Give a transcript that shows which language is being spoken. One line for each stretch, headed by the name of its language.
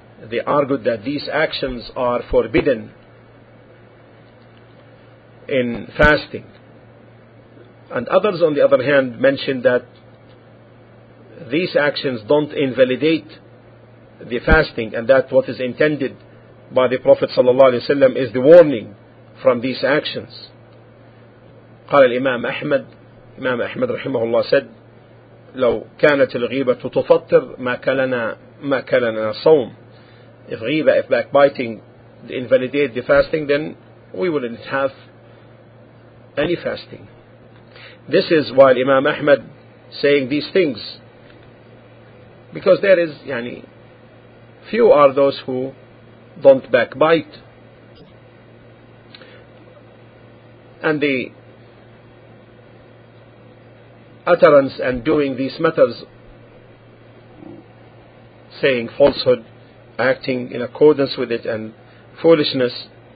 English: They argued that these actions are forbidden in fasting. And others, on the other hand, mentioned that these actions don't invalidate the fasting, and that what is intended by the Prophet ﷺ is the warning from these actions.
Arabic: قال الإمام أحمد,
English: Imam Ahmad rahimahullah said,
Arabic: لو كانت الغيبة تفطر ما كلنا صوم.
English: If ghiba, if backbiting, invalidate the fasting, then we wouldn't have any fasting. This is while Imam Ahmad saying these things, because there is, yani, few are those who don't backbite, and the utterance and doing these matters, saying falsehood, acting in accordance with it, and foolishness,